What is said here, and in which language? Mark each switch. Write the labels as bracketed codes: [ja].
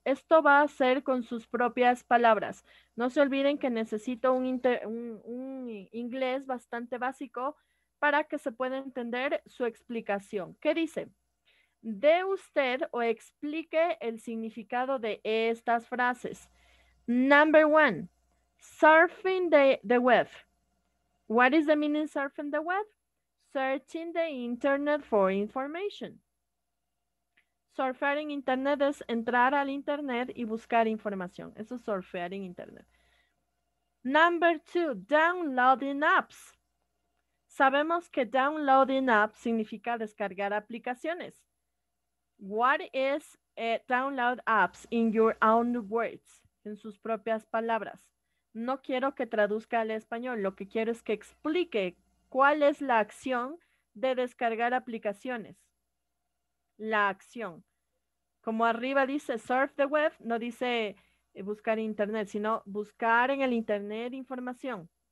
[es] Esto va a ser con sus propias palabras. No se olviden que necesito un inglés bastante básico para que se pueda entender su explicación. ¿Qué dice? Dé usted o explique el significado de estas frases. [en] Number one, surfing the web. What is the meaning of surfing the web? Searching the internet for information. [es] Surfear en internet es entrar al internet y buscar información. Eso es surfear en internet. [en] Number two, downloading apps. [es] Sabemos que downloading apps significa descargar aplicaciones. [en] What is download apps in your own words? [es] En sus propias palabras. No quiero que traduzca al español. Lo que quiero es que explique cuál es la acción de descargar aplicaciones. La acción. Como arriba dice surf the web, no dice buscar internet, sino buscar en el internet información.